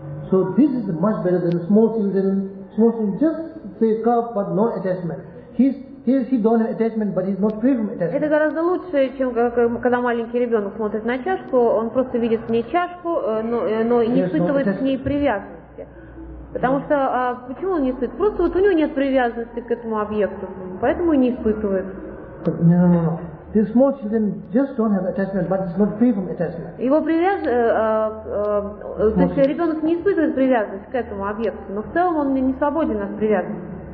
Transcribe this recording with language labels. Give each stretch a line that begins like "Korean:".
English: So this is much better than small children. Small children just say cup, but no attachment. He don't have attachment, but he's not free from attachment.
Russian: Это гораздо лучше, чем когда маленький ребенок смотрит на чашку, он просто видит в ней чашку, но не испытывает к ней привязанности. Потому что почему он не испытывает? Просто вот у него нет привязанности к этому объекту, поэтому и не испытывает.
English: No. These small children just don't have attachment, but it's not free from attachment.
Russian: Его привязанность, то есть ребенок не испытывает привязанность к этому объекту, но в целом он не свободен от привязанности.